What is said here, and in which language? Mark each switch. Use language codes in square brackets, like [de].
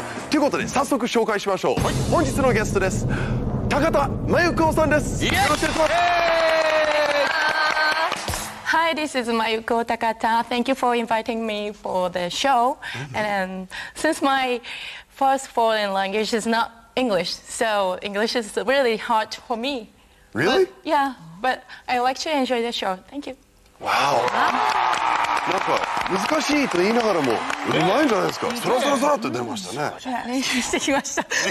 [ja] ということで早速紹介しましょう、本日のゲストです。髙田万由子さんです。よろしくお願いします。 [en] Hi, this is Mayuko Takata. Thank you for inviting me for the show. And since my first foreign language is not English, so English is really hard for me. Really? But, yeah, but I like to enjoy the show. Thank you. Wow. [ja] なんか難しいと言いながらもうまいんじゃないですか。そらそらそらって出ましたね。練習してきました。